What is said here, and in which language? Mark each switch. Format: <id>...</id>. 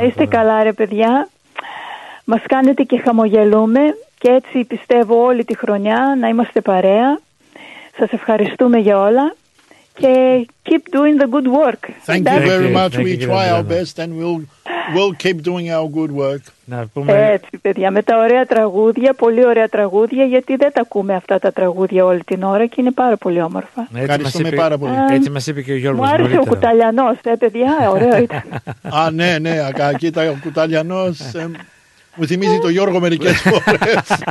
<el>Να είστε καλά ρε παιδιά, μας κάνετε και χαμογελούμε και έτσι πιστεύω όλη τη χρονιά να είμαστε παρέα. Σας ευχαριστούμε για όλα και</el> <en>keep doing the good work. Thank you very much. We try our best and we'll keep doing our good work.</en> <el>Έτσι παιδιά, με τα ωραία τραγούδια, πολύ ωραία τραγούδια, γιατί δεν τα ακούμε αυτά τα τραγούδια όλη την ώρα και είναι πάρα πολύ όμορφα. Ευχαριστούμε πάρα πολύ. Έτσι μας είπε και ο Γιώργος. Μου άρεσε ο Κουταλιανός, παιδιά, ωραίο ήταν. Α, ναι, ναι, κοίτα, ο Κουταλιανός μου θυμίζει τον Γιώργο μερικές φορές.</el>